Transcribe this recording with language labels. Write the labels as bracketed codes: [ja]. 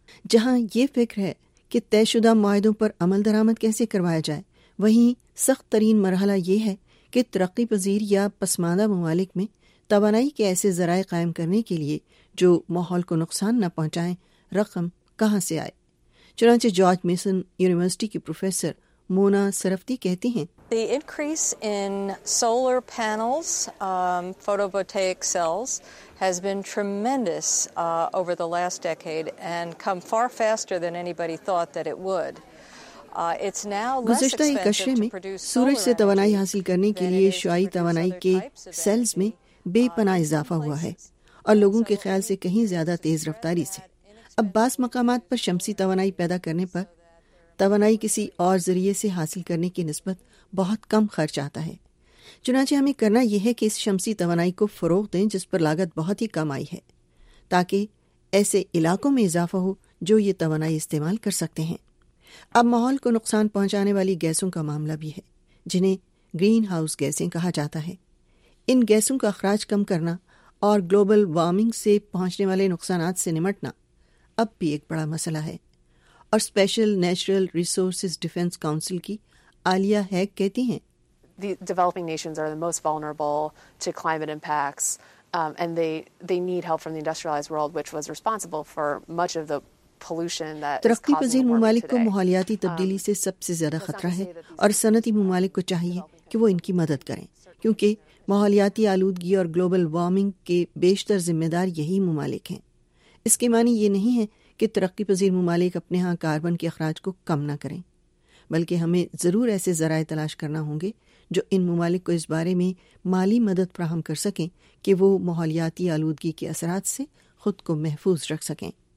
[ur] جہاں یہ فکر ہے کہ طے شدہ معاہدوں پر عمل درآمد کیسے کروایا جائے, وہیں سخت ترین مرحلہ یہ ہے کہ ترقی پذیر یا پسماندہ ممالک میں توانائی کے ایسے ذرائع قائم کرنے کے لیے جو ماحول کو نقصان نہ پہنچائیں رقم کہاں سے آئے. چنانچہ جارج میسن یونیورسٹی کی پروفیسر مونا سرفتی کہتی ہیں, [en] The increase in solar panels, photovoltaic cells has been tremendous over the last decade and come far faster than anybody thought that it would. It's now less expensive to produce solar energy. [ur] سورج سے توانائی حاصل کرنے کے لیے شعاعی توانائی کے sales میں بے پناہ اضافہ ہوا ہے اور لوگوں کے خیال سے کہیں زیادہ تیز رفتاری سے. اب بعض مقامات پر شمسی توانائی پیدا کرنے پر توانائی کسی اور ذریعے سے حاصل کرنے کی نسبت بہت کم خرچ آتا ہے. چنانچہ ہمیں کرنا یہ ہے کہ اس شمسی توانائی کو فروغ دیں جس پر لاگت بہت ہی کم آئی ہے تاکہ ایسے علاقوں میں اضافہ ہو جو یہ توانائی استعمال کر سکتے ہیں. اب ماحول کو نقصان پہنچانے والی گیسوں کا معاملہ بھی ہے جنہیں گرین ہاؤس گیسیں کہا جاتا ہے. ان گیسوں کا اخراج کم کرنا اور گلوبل وارمنگ سے پہنچنے والے نقصانات سے نمٹنا اب بھی ایک بڑا مسئلہ ہے. اور special natural resources defence council کی آلیہ ہیگ کہتی ہیں, [en] The developing nations are the most vulnerable to climate impacts and they need help from the industrialized world which was responsible for much of the pollution that [ur] ترقی پذیر ممالک کو ماحولیاتی تبدیلی سے سب سے زیادہ خطرہ ہے اور صنعتی ممالک کو چاہیے کہ وہ ان کی مدد کریں کیونکہ ماحولیاتی آلودگی اور گلوبل وارمنگ کے بیشتر ذمہ دار یہی ممالک ہیں. اس کے معنی یہ نہیں ہے کہ ترقی پذیر ممالک اپنے ہاں کاربن کے اخراج کو کم نہ کریں, بلکہ ہمیں ضرور ایسے ذرائع تلاش کرنا ہوں گے جو ان ممالک کو اس بارے میں مالی مدد فراہم کر سکیں کہ وہ ماحولیاتی آلودگی کے اثرات سے خود کو محفوظ رکھ سکیں.